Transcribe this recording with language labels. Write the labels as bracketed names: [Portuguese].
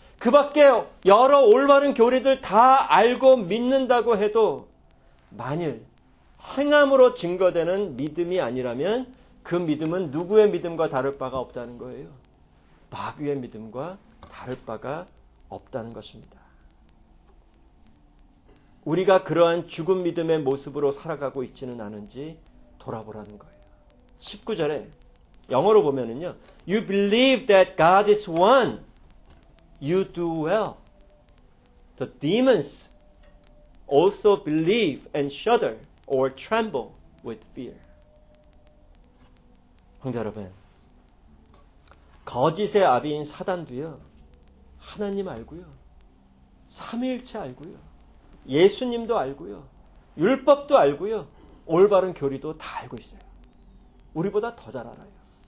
[Korean] 그 밖에 여러 올바른 교리들 다 알고 믿는다고 해도 만일 행함으로 증거되는 믿음이 아니라면 그 믿음은 누구의 믿음과 다를 바가 없다는 거예요. 마귀의 믿음과 다를 바가 없다는 것입니다. 우리가 그러한 죽은 믿음의 모습으로 살아가고 있지는 않은지 돌아보라는 거예요. 19절에 영어로 보면은요, [English] You believe that God is one. You do well. The demons also believe and shudder or tremble with fear. [Korean] 형제 여러분, 거짓의 아비인 사단도요, 하나님 알고요, 삼위일체 알고요, 예수님도 알고요, 율법도 알고요, 올바른 교리도 다 알고 있어요. 우리보다 더 잘 알아요.